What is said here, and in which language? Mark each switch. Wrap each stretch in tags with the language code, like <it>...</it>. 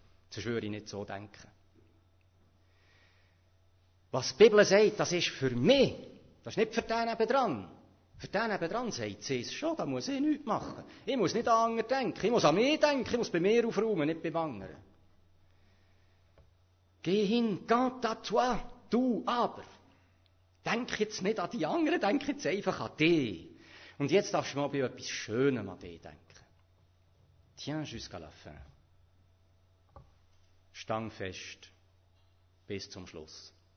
<de>Sonst würde ich nicht so denken. Was die Bibel sagt, das ist für mich. Das ist nicht für den nebendran. Für den nebendran sagt sie es schon, da muss ich nichts machen. Ich muss nicht an anderen denken. Ich muss an mich denken. Ich muss bei mir aufräumen, nicht beim anderen. Geh hin,</de> <fr>quant à toi,</fr> <de>du aber. Denk jetzt nicht an die anderen, denk jetzt einfach an dich. Und jetzt darfst du mal bei etwas Schönem an dich denken.</de> <fr>Tiens jusqu'à la fin.</fr> <de>Stang fest, bis zum Schluss.</de>